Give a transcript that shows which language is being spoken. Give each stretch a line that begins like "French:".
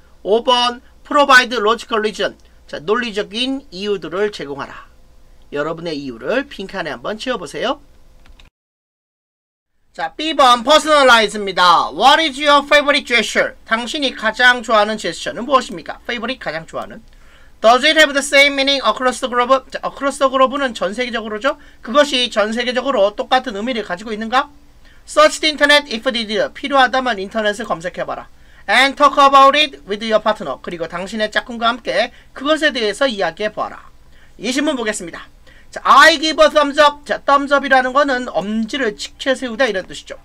Korean: 5번
English: provide logical reason,
Korean: 자, 논리적인 이유들을 제공하라. 여러분의 이유를 빈칸에 한번 채워보세요. 자, B번 personalize입니다.
English: What is your favorite gesture?
Korean: 당신이 가장 좋아하는 제스처는 무엇입니까? favorite, 가장 좋아하는.
English: Does it have the same meaning across the globe?
Korean: 자, across the globe는 전 세계적으로죠. 그것이 전 세계적으로 똑같은 의미를 가지고 있는가?
English: Search the internet if needed.
Korean: 필요하다면 인터넷을 검색해봐라.
English: And talk about it with your partner.
Korean: 그리고 당신의 짝꿍과 함께 그것에 대해서 이야기해봐라. 이 질문 보겠습니다. 자,
English: I give a thumbs up.
Korean: 자, thumbs up이라는 거는 엄지를 치켜 세우다 이런 뜻이죠.